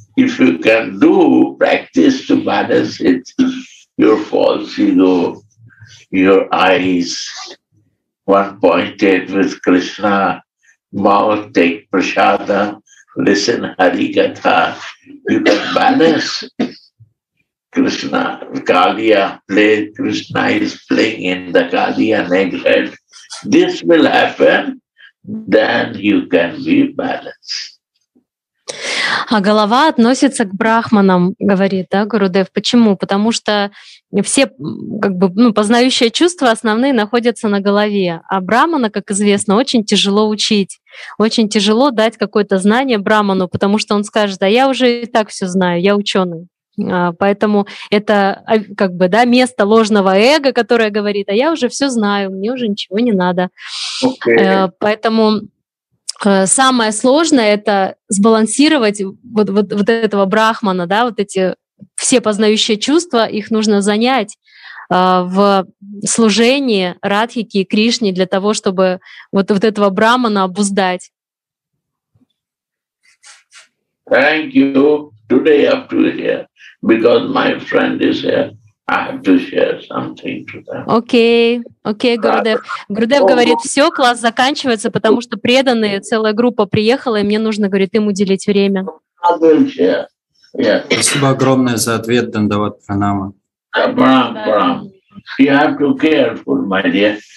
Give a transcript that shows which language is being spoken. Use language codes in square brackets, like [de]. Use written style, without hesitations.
[en] If you can do practice to balance it, your false ego, your eyes, one pointed with Krishna, mouth take prasada, listen Hari Katha, you can balance Krishna, Kaliya play, Krishna is playing in the Kaliya neighborhood. This will happen, then you can be balanced. [ru] А голова относится к брахманам, говорит, да, Гурудев. Почему? Потому что все как бы, ну, познающие чувства основные находятся на голове. А брахмана, как известно, очень тяжело учить. Очень тяжело дать какое-то знание брахману, потому что он скажет, а я уже и так все знаю, я ученый. Поэтому это как бы, да, место ложного эго, которое говорит, а я уже все знаю, мне уже ничего не надо. Okay. Поэтому... Самое сложное — это сбалансировать вот этого брахмана, да, вот эти все познающие чувства, их нужно занять, в служении Радхике и Кришне для того, чтобы вот этого брахмана обуздать. [en] Thank you. Today I have to share because my friend is here. I have to share something to them. Okay, okay, Gurudev. [ru] Gurudev говорит, все, класс заканчивается, потому что преданные, целая группа приехала, и мне нужно, говорит, им уделить время. [en] I will share. Yes. [ru] Спасибо огромное за ответ, Дандават Пранама. [en] Pranam, pranam. You have to care for my dear.